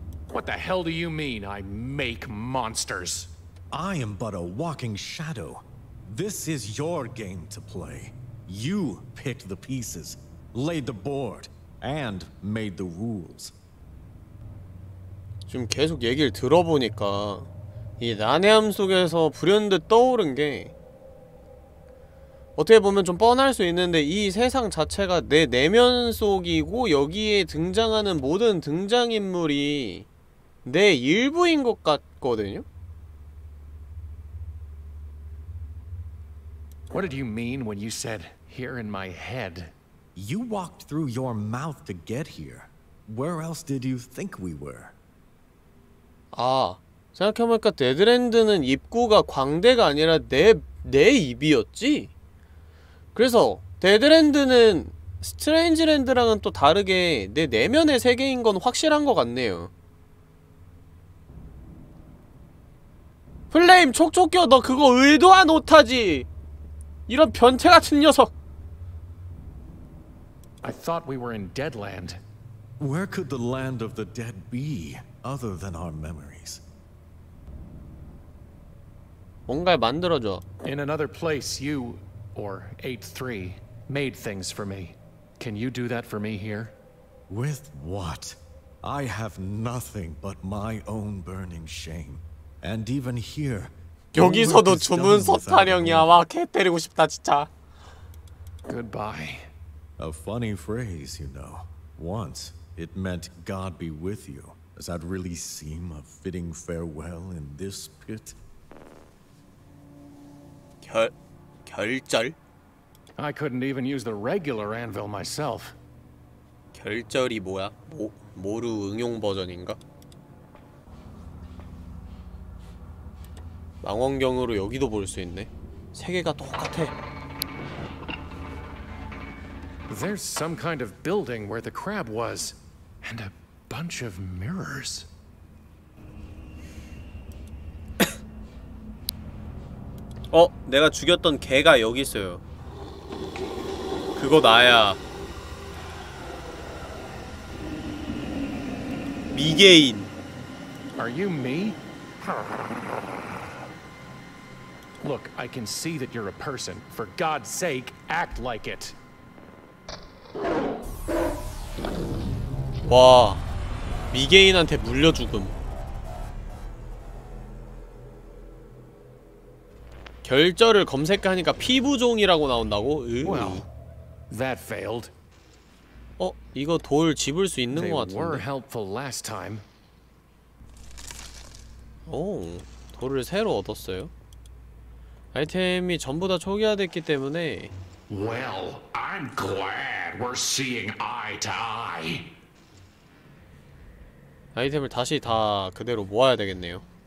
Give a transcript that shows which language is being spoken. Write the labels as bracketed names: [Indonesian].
[English] What the hell do you mean, I make monsters? I am but a walking shadow. This is your game to play. You picked the pieces, laid the board, and made the rules. [Korean] 지금 계속 얘기를 들어보니까 이 난해함 속에서 불현듯 떠오른 게 어떻게 보면 좀 뻔할 수 있는데 이 세상 자체가 내 내면 속이고 여기에 등장하는 모든 등장인물이 내 일부인 것 같거든요? [English] What did you mean when you said here in my head, You walked through your mouth to get here. Where else did you think we were? [Korean] 아, 생각해보니까 데드랜드는 입구가 광대가 아니라 내 입이었지? 그래서 데드랜드는 스트레인지랜드랑은 또 다르게 내 내면의 세계인 건 확실한 것 같네요. 플레임 촉촉겨, 너 그거 의도한 오타지! 이런 변태 같은 녀석! [English] I thought we were in Deadland. Where could the land of the dead be, other than our memories? [Korean] 뭔가를 만들어줘. [English] In another place, you, or 8-3, made things for me. Can you do that for me here? With what? I have nothing but my own burning shame. And even here, [Korean] 여기서도 주문서 타령이야. 와, 개 때리고 싶다, 진짜. [English] Goodbye. A funny phrase, you know. Once, it meant God be with you. Does that really seem a fitting farewell in this pit? [Korean] 결절? [English] I couldn't even use the regular anvil myself. [Korean] 결절이 뭐야? 모루 응용 버전인가? 망원경으로 여기도 볼 수 있네. 세계가 똑같아. [English] There's some kind of building where the crab was, and a bunch of mirrors. [Korean] 어, 내가 죽였던 개가 여기 있어요. 그거 나야. 미개인. [English] Are you me? Look, I can see that you're a person. For God's sake, act like it. [Korean] 와, 미개인한테 물려 죽음. 결절을 검색하니까 피부종이라고 나온다고? [English] That failed. [Korean] 어, 이거 돌 집을 수 있는 것 같은데. [English] They were helpful last time. [Korean] 오, 돌을 새로 얻었어요. 아이템이 전부 다 초기화됐기 때문에. [English] Well, I'm glad we're seeing eye to eye. [Korean] 아이템을 다시 다 그대로 모아야 되겠네요.